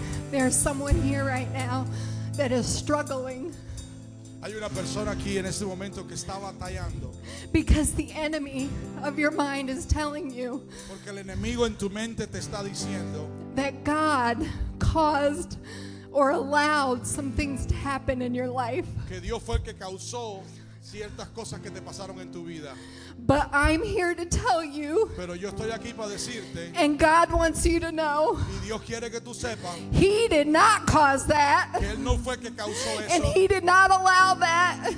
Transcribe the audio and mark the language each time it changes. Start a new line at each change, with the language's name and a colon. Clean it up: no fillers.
English: There's someone here right now that is struggling.
Spanish: Hay una persona aquí en este momento que está batallando.
English: Because the enemy of your mind is telling you.
Spanish: Porque el enemigo en tu mente te está diciendo.
English: That God caused or allowed some things to happen in your life.
Spanish: Que Dios fue el que causó ciertas cosas que te pasaron en tu vida.
English: But I'm here to tell you.
Spanish: Pero yo estoy aquí para decirte.
English: And God wants you to know.
Spanish: Y Dios quiere que tú sepas.
English: He did not cause that.
Spanish: Que él no fue el que causó eso.
English: And he did not allow that.